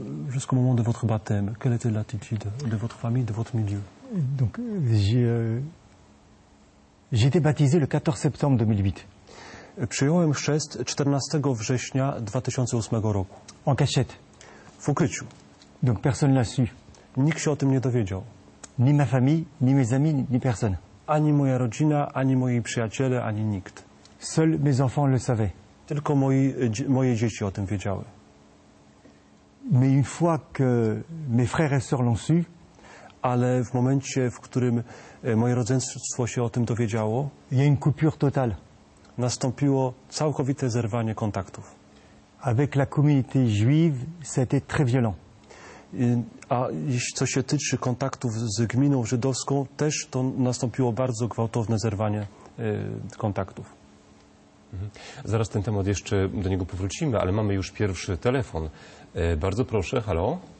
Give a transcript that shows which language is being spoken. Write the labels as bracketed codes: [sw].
[fr] Jusqu'au moment de votre baptême, quelle était l'attitude de votre famille, de votre milieu? Donc, j'ai été baptisé le 14 septembre 2008. [pl] Przyjąłem chrzest 14 września 2008 roku. [fr] En cachette. [pl] W ukryciu. [fr] Donc personne l'a su. [pl] Nikt się o tym nie dowiedział. [fr] Ni ma famille, ni mes amis, ni personne. [pl] Ani moja rodzina, ani moi przyjaciele, ani nikt. [fr] Seuls mes enfants le savaient. [pl] Tylko moje dzieci o tym wiedziały. [fr] Mais une fois que mes frères et sœurs l'ont su, [pl] ale w momencie, w którym moje rodzeństwo się o tym dowiedziało, [fr] il y a une coupure totale. [pl] Nastąpiło całkowite zerwanie kontaktów. [fr] Avec la communauté juive, c'était très violent. [pl] A co się tyczy kontaktów z gminą żydowską, też to nastąpiło bardzo gwałtowne zerwanie kontaktów. Mhm. Zaraz ten temat jeszcze do niego powrócimy, ale mamy już pierwszy telefon. Bardzo proszę, halo?